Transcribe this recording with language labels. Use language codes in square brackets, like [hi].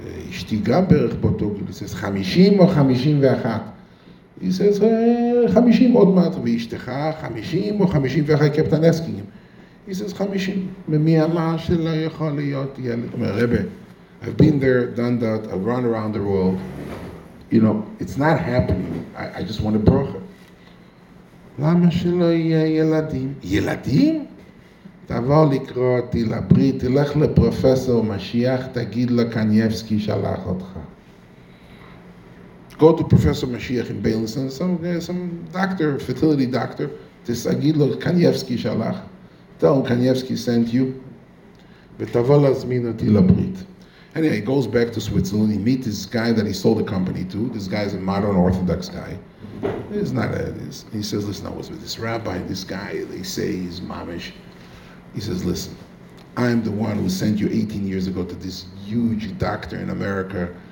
[he] אשתי גם בערך באותו גיל, היא says, 50 או 51. היא says, 50 עוד מעט, ואשתך 50 או 51, [en] קפטן אסקינג. [he] היא says, 50. ומי אמר שלא יכול להיות ילד? [en] אומר, רבי, I've been there, done that, I've run around the world. You know, it's not happening. I just want to broke it. [he] למה שלא יהיה ילדים? ילדים? תבוא לקרוא אותי לברית, תלך לפרופסור משיח, תגיד לקנייבסקי שלח אותך. [en] Go to Professor Mashiach in Bailison, some doctor, fertility doctor, [he] תגיד לו, קנייבסקי שלח. [en] Tell him, קנייבסקי sent you. [he] ותבוא להזמין אותי לברית. [en] Anyway, he goes back to Switzerland, he meets this guy that he sold the company to. This guy is a modern Orthodox guy. He's not a, he says, listen, I was with this rabbi, this guy, they say he's mamish. He says, listen, I'm the one who sent you 18 years ago to this huge doctor in America.